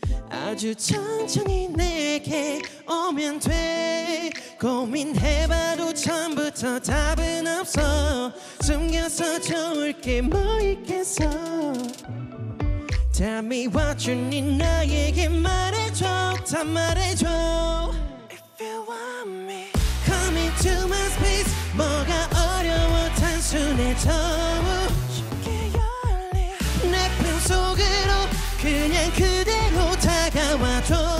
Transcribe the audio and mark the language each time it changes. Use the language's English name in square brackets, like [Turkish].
[Korean] 아주 천천히 내게 오면 돼. 고민해봐도 처음부터 답은 없어. 숨겨서 좋을 게 뭐 있겠어. [English] Tell me what you need. [Korean] 나에게 말해줘, 다 말해줘. [English] If you want me, come into my space. [Korean] 뭐가 어려워, 단순해. 더욱 쉽게 열리 내 품 속으로 그냥 그대로 다가와줘.